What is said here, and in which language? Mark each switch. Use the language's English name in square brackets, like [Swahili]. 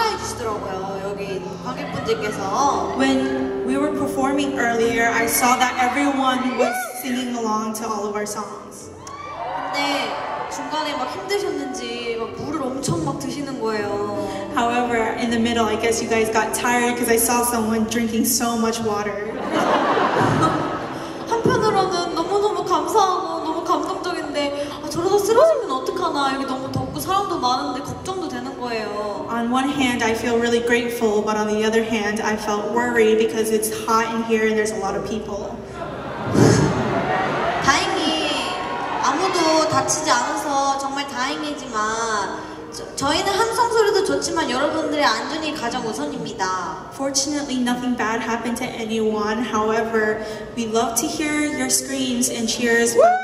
[English] When we were performing earlier, I saw that everyone was singing along to all of our songs. [Korean] 근데 중간에 막 힘드셨는지 막 물을 엄청 막 드시는 거예요. [English] However, in the middle, I guess you guys got tired because I saw someone drinking so much water. [Korean] 한편으로는 너무너무 감사하고 너무 감동적인데 아, 저러다 쓰러지면 어떡하나 여기 너무 덥고 사람도 많은데 걱정도 되는 거예요. [English] On one hand, I feel really grateful, but on the other hand, I felt worried because it's hot in here and there's a lot of people. [Korean] 다행히 아무도 다치지 않아서 정말 다행이지만 저희는 함성 소리도 좋지만 여러분들의 안전이 가장 우선입니다. [English] Fortunately, nothing bad happened to anyone. However, we love to hear your screams and cheers.